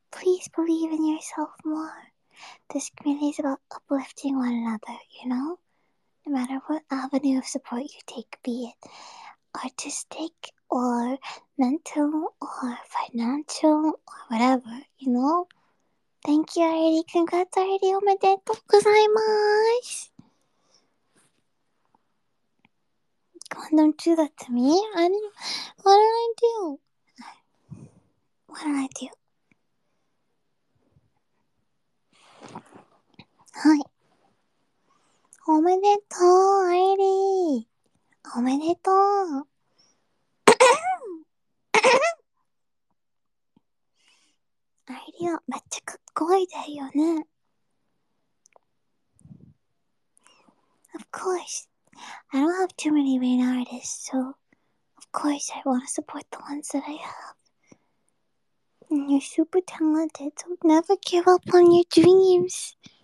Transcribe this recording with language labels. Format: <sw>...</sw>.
<en>Please believe in yourself more. This community is about uplifting one another, you know? No matter what avenue of support you take, be it. Artistic, or mental, or financial, or whatever, you know? Thank you, Airi. Congrats, Airi.</en> <ja>おめでとうございます。</ja> <en>Come on, don't do that to me. I don't know. What did I do? What did I do?</en> <ja>はい。おめでとう、Airi。おめでとう。アイリーはめっちゃかっこいいだよね。</ja> <en>Of course, I don't have too many main artists, so of course I want to support the ones that I have. And you're super talented, so never give up on your dreams.</en>